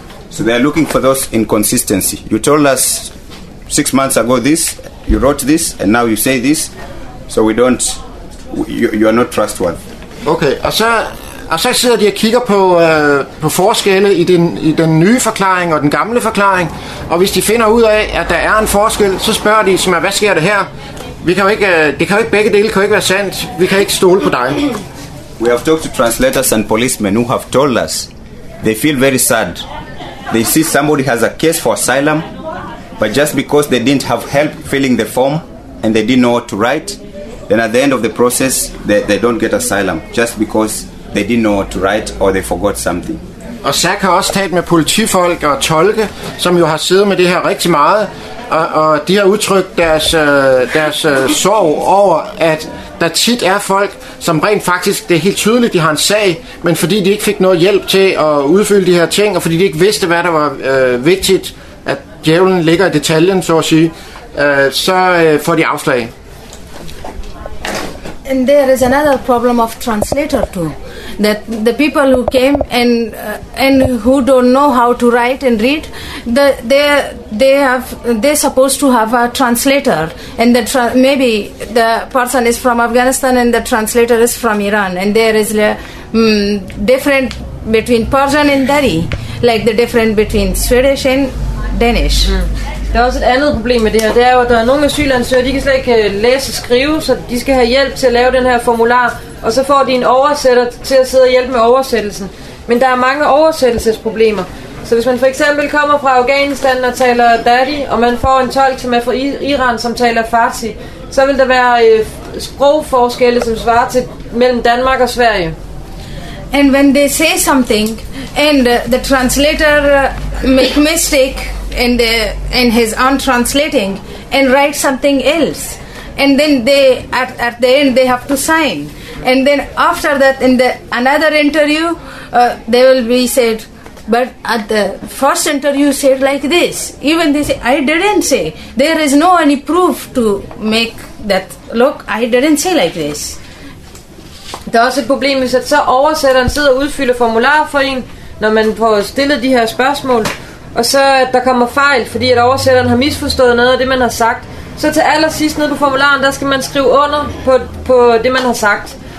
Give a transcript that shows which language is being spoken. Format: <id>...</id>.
<en>So they are looking for those inconsistency. You told us 6 months ago this, you wrote this, and now you say this, so we don't, you are not trustworthy.</en> <da>Okay, og så sidder de og kigger på forskelle i den nye forklaring og den gamle forklaring, og hvis de finder ud af, at der er en forskel, så spørger de, som er, hvad sker der her? Vi kan jo ikke, det kan jo ikke, begge dele kan jo ikke være sandt. Vi kan ikke stole på dig.</da> <en>We have talked to translators and policemen who have told us they feel very sad. They see somebody has a case for asylum, but just because they didn't have help filling the form and they didn't know what to write, then at the end of the process they don't get asylum just because they didn't know what to write or they forgot something.</en> <da>Og Zach har også talt med politifolk og tolke, som jo har siddet med det her rigtig meget. Og de har udtrykt deres sorg over, at der tit er folk, som rent faktisk, det er helt tydeligt, de har en sag, men fordi de ikke fik noget hjælp til at udfylde de her ting, og fordi de ikke vidste, hvad der var vigtigt, at djævlen ligger i detaljen, så at sige, så får de afslag.</da> <en>And there is another problem of translator too. That the people who came and who don't know how to write and read, they're supposed to have a translator, and maybe the person is from Afghanistan and the translator is from Iran, and there is different between Persian and Dari, like the difference between Swedish and Danish.</en> <da>Der er også et andet problem med det her, det er jo, at der er nogle asylansøgere, de kan slet ikke læse og skrive, så de skal have hjælp til at lave den her formular, og så får de en oversætter til at sidde og hjælpe med oversættelsen. Men der er mange oversættelsesproblemer, Så hvis man for eksempel kommer fra Afghanistan og taler dadi, og man får en tolk, som er fra Iran, som taler farsi, så vil der være sprogforskelle, som svarer til mellem Danmark og Sverige.</da> <en>And when they say something, and the translator make mistake in his own translating, and write something else, and then they at the end they have to sign, and then after that in the another interview, they will be said. But at the first interview you said like this, even they say, I didn't say, there is no any proof to make that, look, I didn't say like this.</en> <da>Der er også et problem, hvis at så oversætteren sidder og udfylder formularer for en, når man får stillet de her spørgsmål, og så at der kommer fejl, fordi at oversætteren har misforstået noget af det, man har sagt. Så til allersidst nede på formularen, der skal man skrive under på det, man har sagt.</da>